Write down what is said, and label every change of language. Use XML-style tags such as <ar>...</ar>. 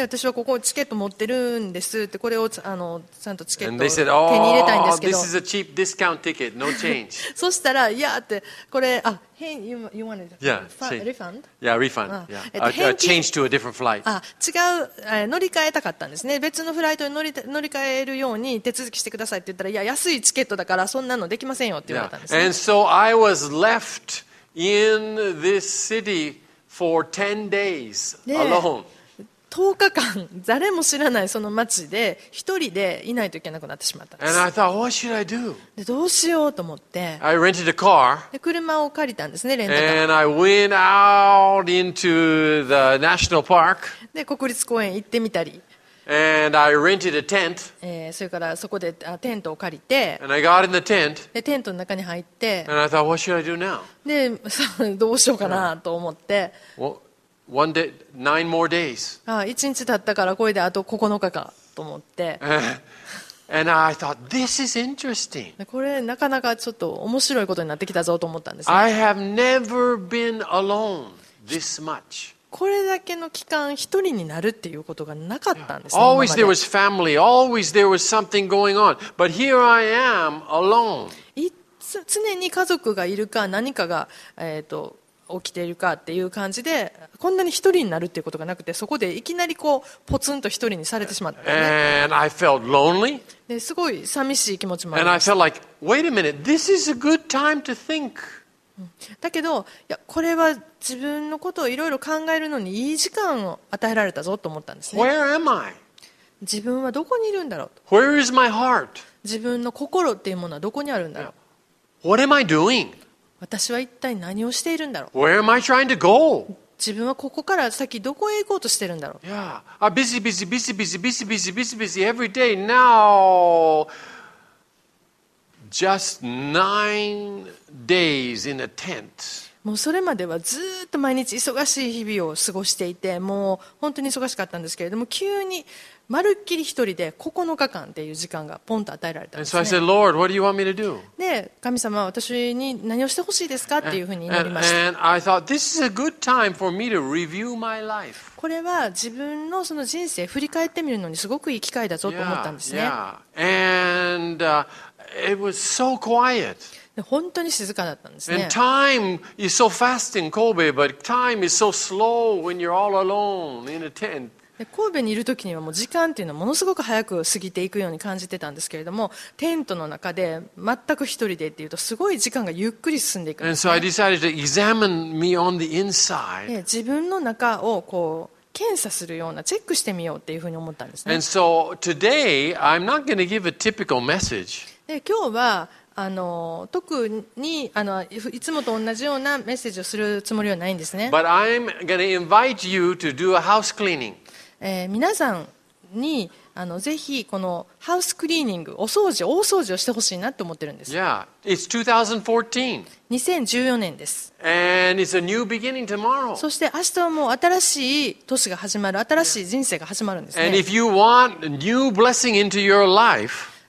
<ja>私はここチケット持ってるんですって、これをちゃんとチケット手に入れたいんですけど、</ja> <en>this is a cheap discount ticket, no change.</en> <ja>そしたら、いやってこれ、あ、変、</ja> <en>you wanted a refund? Yeah, refund. Yeah, change to a different flight.</en> <ja>違う、乗り換えたかったんですね。別のフライトに乗り換えるように手続きしてくださいって言ったら、いや、安いチケットだからそんなのできませんよって言われたんですね。</ja> <en>And so I was left in this city for 10 days alone.</en> <ja>10日間誰も知らないその町で一人でいないといけなくなってしまったんです。</ja> <en>And I thought, what should I do?</en> <ja>で、どうしようと思って、</ja> <en>I rented a car.</en> <ja>で、車を借りたんですね、レンタカー。</ja> <en>And I went out into the national park.</en> <ja>で、国立公園行ってみたり、</ja> <en>And I rented a tent.</en> <ja>それからそこでテントを借りて、</ja> <en>And I got in the tent.</en> <ja>で、テントの中に入って、</ja> <en>And I thought, what should I do now?</en> <ja>で、どうしようかなと思って、</ja> <en>9 more days.</en> <ja>1日経ったから、これであと9日かと思って。</ja> <en>And I thought, this is interesting.</en> <ja>これなかなかちょっと面白いことになってきたぞと思ったんです、</ja> <en>ね。I have never been alone this much.</en> <ja>これだけの期間一人になるっていうことがなかったんです、ね。</ja> <en>Always there was family. Always there was something going on. But here I am alone.</en> <ja>常に家族がいるか何かが、起きているかっていう感じで、こんなに一人になるっていうことがなくて、そこでいきなりこうポツンと一人にされてしまった</ja> <en>ね。And I felt lonely.</en> <ja>で、すごい寂しい気持ちもありました。</ja> <en>And I felt like, wait a minute, this is a good time to think.</en> <ja>だけど、いや、これは自分のことをいろいろ考えるのにいい時間を与えられたぞと思ったんですね。</ja> <en>Where am I?</en> <ja>自分はどこにいるんだろうと。</ja> <en>Where is my heart?</en> <ja>自分の心っていうものはどこにあるんだろう。</ja> <en>What am I doing?</en> <ja>私は一体何をしているんだろう。</ja> <en>Where am I trying to go?</en> <ja>自分はここから先どこへ行こうとしているんだろう。</ja> <en>Yeah, I'm busy, busy, busy, busy, busy, busy, busy, busy every day. Now, just 9 days in a tent.</en> <ja>もうそれまではずっと毎日忙しい日々を過ごしていて、もう本当に忙しかったんですけれども、急にまるっきり一人で9日間という時間がポンと与えられたんですね。</ja> <en>And so I said, Lord, what do you want me to do?</en> <ja>で、神様は私に何をしてほしいですかっていうふうに祈りました。</ja> <en>And I thought, this is a good time for me to review my life.</en> <ja>これは自分のその人生振り返ってみるのにすごくいい機会だぞと思ったんですね。</ja> <en>Yeah. And, it was so quiet.</en> <ja>本当に静かだったんですね。</ja> <en>And time is so fast in Kobe, but time is so slow when you're all alone in a tent.</en> <ja>神戸にいる時にはもう時間っていうのはものすごく早く過ぎていくように感じてたんですけれども、テントの中で全く一人でっていうとすごい時間がゆっくり進んでいくんですね。</ja> <en>And so I decided to examine me on the inside.</en> <ja>自分の中をこう検査するようなチェックしてみようっていうふうに思ったんですね。</ja> <en>And so today I'm not going to give a typical message.</en> <ja>今日は特にいつもと同じようなメッセージをするつもりはないんですね。</ja> <en>But I'm going to invite you to do a house cleaning.</en> <ja>皆さんにぜひこのハウスクリーニング、お掃除、大掃除をしてほしいなと思ってるんです。</ja> <en>Yeah, it's 2014.</en> <ja>2014年です。</ja> <en>And it's a new beginning tomorrow.</en> <ja>そして明日はもう新しい年が始まる、新しい人生が始まるんですね。</ja> <en>And if you want new blessing into your life.</en>